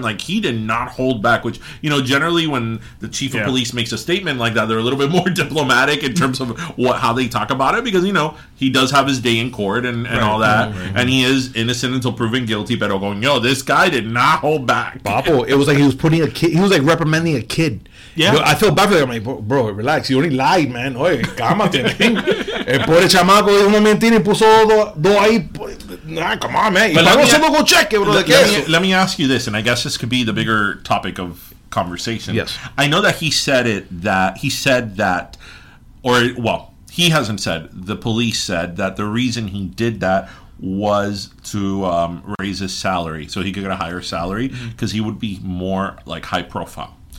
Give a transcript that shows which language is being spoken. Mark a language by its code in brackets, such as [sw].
[en] Like, he did not hold back, which, you know, generally when the chief of police makes a statement like that, they're a little bit more diplomatic in terms of how they talk about it because, you know, he does have his day in court and all that. Mm-hmm. And he is innocent until proven guilty. Pero going, yo, this guy did not hold back. Papo, it was like he was putting a kid, he was like reprimanding a kid. Yeah. You know, I feel bad for him. I'm like, bro, relax. You only lied, man. [es] Oye, cálmate. El pobre chamaco dijo una mentira y puso dos ahí. [en] Nah, come on, man. Let me ask you this, and I guess this could be the bigger topic of conversation. Yes. I know that he hasn't said, the police said that the reason he did that was to raise his salary so he could get a higher salary because he would be more like high profile.